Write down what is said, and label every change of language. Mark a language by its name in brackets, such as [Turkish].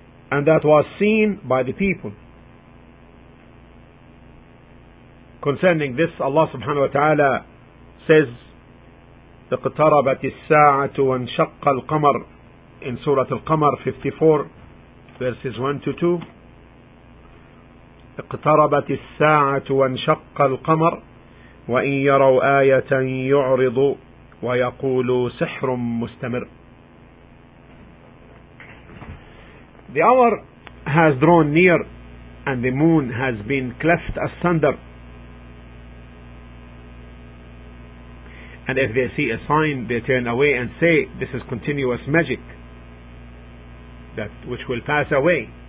[English] And that was seen by the people. Concerning this, Allah subhanahu wa ta'ala says, [Arabic] اقتربت الساعة وانشق القمر, [English] in Surah Al-Qamar 54, verses 1-2. [Arabic] اقتربت الساعة وانشق القمر وإن يروا آية يعرضوا ويقولوا سحر مستمر. [English] The hour has drawn near and the moon has been cleft asunder. And if they see a sign, they turn away and say, this is continuous magic, that which will pass away.